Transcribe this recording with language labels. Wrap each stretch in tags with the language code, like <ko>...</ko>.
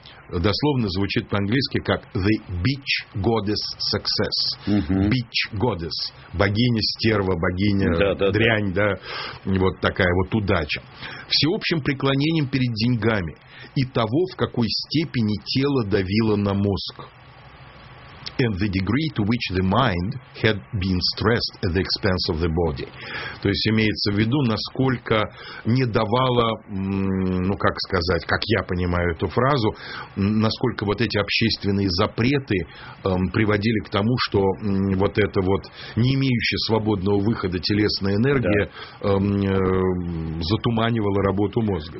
<ru>Дословно звучит по-английски как</ru> <en>«the bitch goddess success». Uh-huh. «Bitch goddess»</en> <ru>– богиня-стерва, богиня-дрянь, да, вот такая вот удача. Всеобщим преклонением перед деньгами и того, в какой степени тело давило на мозг.</ru> <en>«And the degree to which the mind had been stressed at the expense of the body».</en> <ru>То есть, имеется в виду, насколько не давало, ну, как сказать, как я понимаю эту фразу, насколько вот эти общественные запреты приводили к тому, что вот эта вот не имеющая свободного выхода телесная энергия затуманивала работу мозга.</ru>